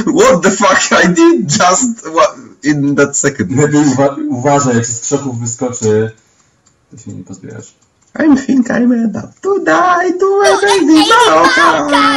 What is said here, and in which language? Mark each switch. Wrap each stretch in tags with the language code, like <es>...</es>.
<en>What the fuck I did just in that second?</en> <pl>Lepiej uważaj, jak się z krzaków wyskoczy, to się nie pozbierasz.</pl> <en>I'm think I'm about to die, to a baby vocal!</en>